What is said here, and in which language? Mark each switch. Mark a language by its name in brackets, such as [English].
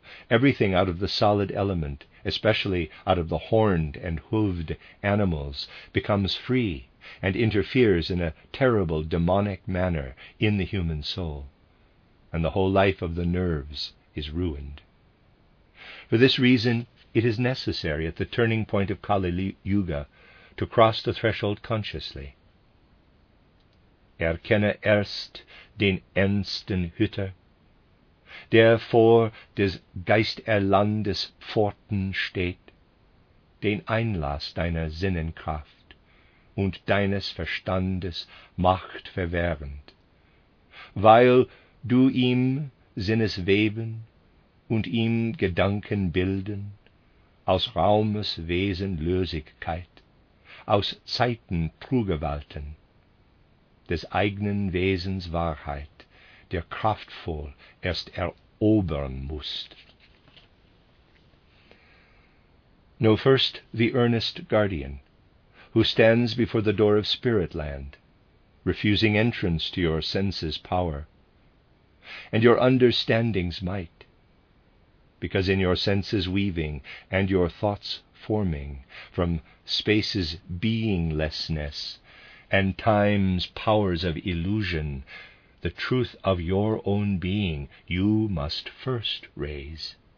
[English] Everything out of the solid element, especially out of the horned and hoofed animals, becomes free and interferes in a terrible demonic manner in the human soul, and the whole life of the nerves is ruined. For this reason, it is necessary at the turning point of Kali Yuga to cross the threshold consciously. [German] Erkenne erst den ernsten Hüter, der vor des Geisterlandes Pforten steht, den Einlass deiner Sinnenkraft und deines Verstandes Macht verwehrend, weil du ihm Sinnes weben und ihm Gedanken bilden, aus Raumes Wesen Lösigkeit, aus Zeiten Trugewalten, des eigenen Wesens Wahrheit, der kraftvoll erst erobern mußt. [English] Know first the earnest guardian, who stands before the door of spirit land, refusing entrance to your senses' power, and your understanding's might, because in your senses weaving and your thoughts forming from space's beinglessness and time's powers of illusion, the truth of your own being you must first raise.